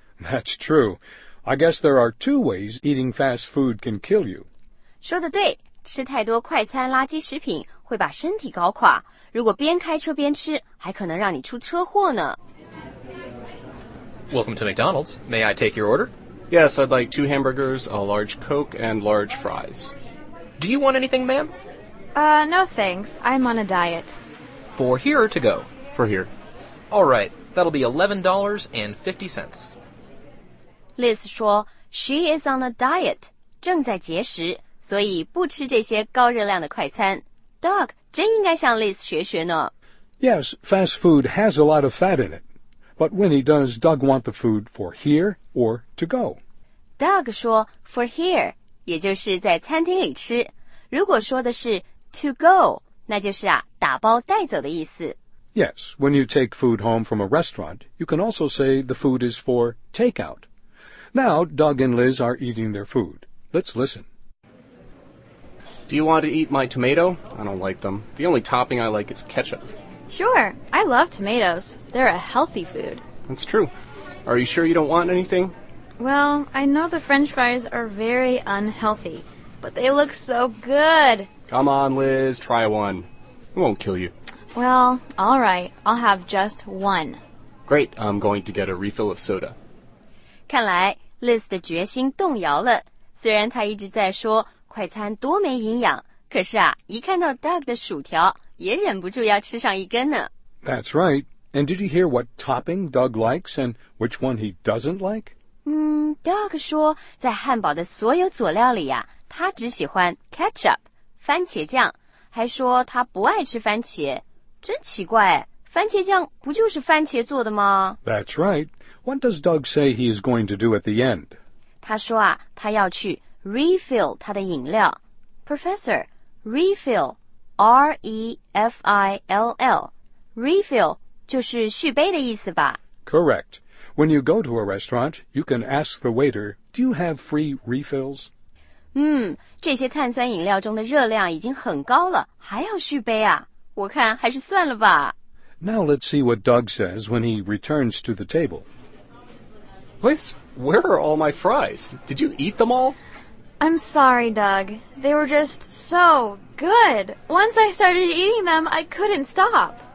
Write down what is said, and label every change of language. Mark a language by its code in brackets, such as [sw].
[en] That's true. I guess there are two ways eating fast food can kill you. [zh] 说得对，吃太多快餐垃圾食品会把身体搞垮。如果边开车边吃，还可能让你出车祸呢。 [en] Welcome to McDonald's. May I take your order? Yes, I'd like two hamburgers, a large Coke, and large fries. Do you want anything, ma'am? No thanks. I'm on a diet. For here or to go? For here. All right. That'll be $11.50. [zh] Liz 说 [en] she is on a diet, [zh] 正在节食，所以不吃这些高热量的快餐。 Doug 真应该向 Liz 学学呢。 [en] Yes, fast food has a lot of fat in it. But Winnie, does Doug want the food for here or to go? [zh] Doug 说 [en] for here. [zh] 也就是在餐厅里吃，如果说的是 [en] to go, [zh] 那就是啊打包带走的意思。 [en] Yes, when you take food home from a restaurant, you can also say the food is for takeout. Now, Doug and Liz are eating their food. Let's listen. Do you want to eat my tomato? I don't like them. The only topping I like is ketchup. Sure, I love tomatoes. They're a healthy food. That's true. Are you sure you don't want anything? Well, I know the French fries are very unhealthy, but they look so good. Come on, Liz, try one. It won't kill you. Well, all right, I'll have just one. Great, I'm going to get a refill of soda. [zh] 看来 Liz 的决心动摇了。虽然她一直在说快餐多没营养，可是啊，一看到 Doug 的薯条，也忍不住要吃上一根呢。 [en] That's right. And did you hear what topping Doug likes and which one he doesn't like? [zh] Doug 说在汉堡的所有佐料里啊，他只喜欢 ketchup, 番茄酱，还说他不爱吃番茄。真奇怪，番茄酱不就是番茄做的吗？ [en] That's right. What does Doug say he is going to do at the end? [zh] 他说啊，他要去 refill 他的饮料。 [en] Professor, refill, R-E-F-I-L-L. Refill [zh] 就是续杯的意思吧？ [en] Correct. When you go to a restaurant, you can ask the waiter, do you have free refills? [zh] 这些碳酸饮料中的热量已经很高了，还要续杯啊？我看还是算了吧。 [en] Now let's see what Doug says when he returns to the table. Liz, where are all my fries? Did you eat them all? I'm sorry, Doug. They were just so good. Once I started eating them, I couldn't stop.